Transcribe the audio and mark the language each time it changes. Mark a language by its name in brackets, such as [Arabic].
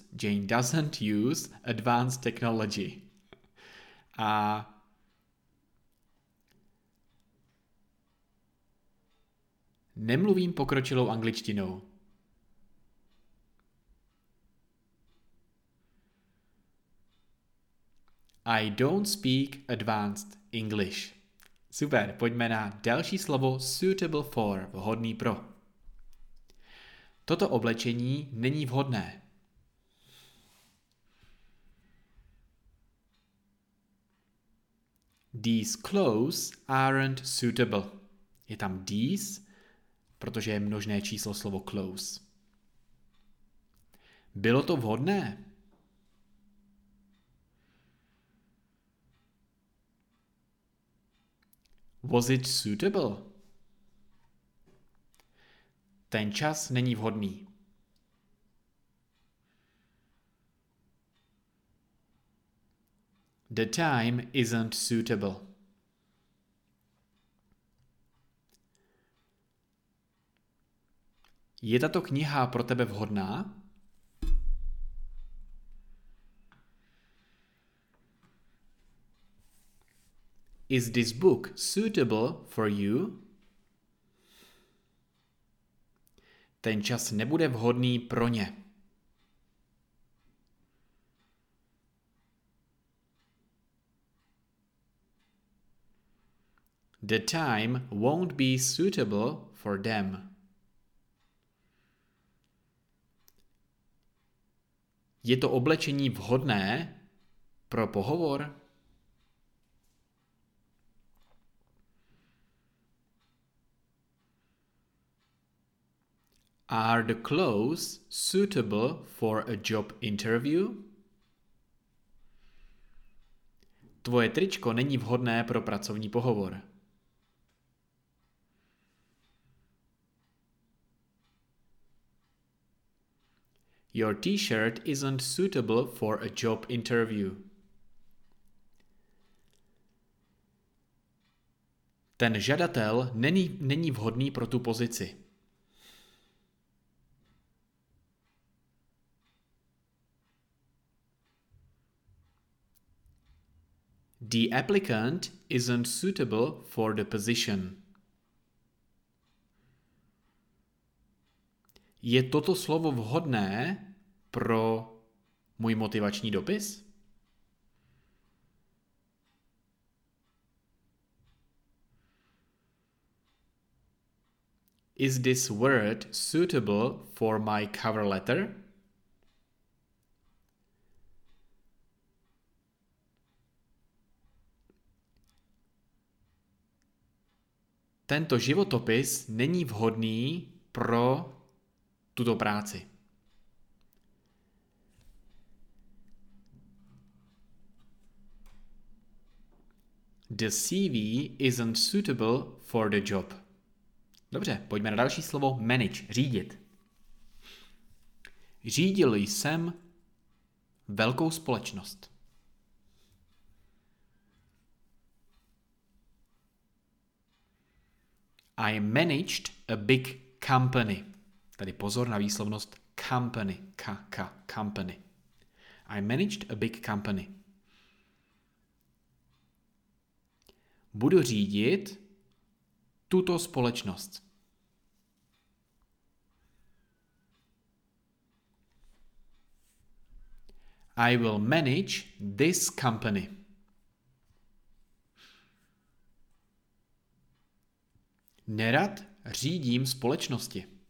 [English] Jane doesn't use advanced technology. [Czech] A nemluvím pokročilou angličtinou. [English] I don't speak advanced English. [Czech] Super, pojďme na další slovo suitable for, vhodný pro. Toto oblečení není vhodné. [English] These clothes aren't suitable. [Czech] Je tam these, protože je množné číslo slovo clothes. Bylo to vhodné? [English] Was it suitable? [Czech] Ten čas není vhodný. [English] The time isn't suitable. [Czech] Je tato kniha pro tebe vhodná? [English] Is this book suitable for you? [Czech] Ten čas nebude vhodný pro ně. [English] The time won't be suitable for them. [Czech] Je to oblečení vhodné pro pohovor? [English] Are the clothes suitable for a job interview? [Czech] Tvoje tričko není vhodné pro pracovní pohovor. [English] Your t-shirt isn't suitable for a job interview. [Czech] Ten žadatel není vhodný pro tu pozici. [English] The applicant isn't suitable for the position. [Czech] Je toto slovo vhodné pro můj motivační dopis? [English] Is this word suitable for my cover letter? [Czech] Tento životopis není vhodný pro tuto práci. [English] The CV isn't suitable for the job. [Czech] Dobře, pojďme na další slovo. Manage, řídit. Řídil jsem velkou společnost. [English] I managed a big company. [Czech] Tady pozor na výslovnost [English] company. Company. I managed a big company. [Czech] Budu řídit tuto společnost. [English] I will manage this company. [Czech] Nerad řídím společnosti.